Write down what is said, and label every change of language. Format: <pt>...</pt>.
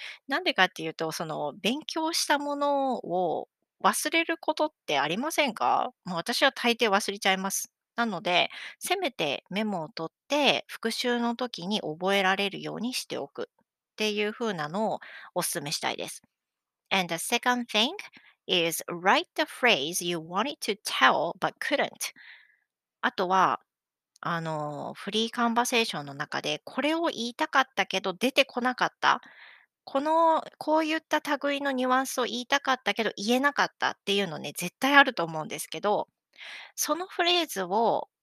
<ja>なんでかっていうと、その勉強したものを忘れることってありませんか? もう私は大抵忘れちゃいます。なので、せめてメモを取って復習の時に覚えられるようにしておくっていうふうなのをお勧めしたいです。</ja> <en>And the second thing is write the phrase you wanted to tell but couldn't.</en> <ja>あとは、フリーカンバセーションの中でこれを言いたかったけど出てこなかった。こういった類のニュアンスを言いたかったけど言えなかったっていうのね、絶対あると思うんですけど、そのフレーズを</ja>